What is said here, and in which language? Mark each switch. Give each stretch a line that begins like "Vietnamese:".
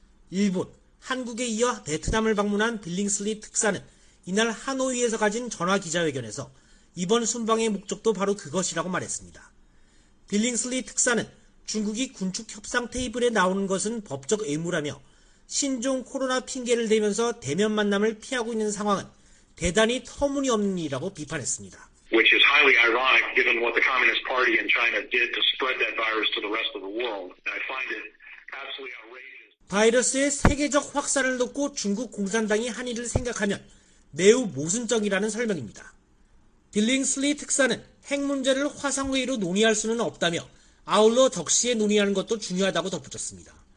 Korean: 일본, 한국에 이어 베트남을 방문한 빌링슬리 특사는 이날 하노이에서 가진 전화 기자회견에서 이번 순방의 목적도 바로 그것이라고 말했습니다. 빌링슬리 특사는 중국이 군축 협상 테이블에 나오는 것은 법적 의무라며 신종 코로나 핑계를 대면서 대면 만남을 피하고 있는 상황은 대단히 터무니없는 일이라고 비판했습니다.
English: Which is highly ironic given what the Communist Party in China did to spread that virus to the rest of the world. I find it absolutely outrageous.
Korean: 바이러스의 세계적 확산을 놓고 중국 공산당이 한 일을 생각하면 매우 모순적이라는 설명입니다. 빌링슬리 특사는 핵 문제를 화상회의로 논의할 수는 없다며 아울러 적시에 논의하는 것도 중요하다고 덧붙였습니다.